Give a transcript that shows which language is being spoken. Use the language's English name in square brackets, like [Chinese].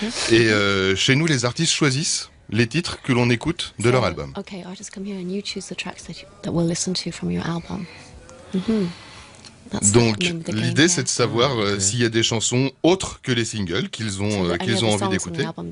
[French] Et chez nous, les artistes choisissent les titres que l'on écoute de leur album. [English] Okay, artists come here and you choose the tracks that we'll listen to from your album. Mm-hmm. [French] Donc, l'idée, c'est de savoir s'il y a des chansons autres que les singles qu'ils ont, qu'ils ont envie d'écouter.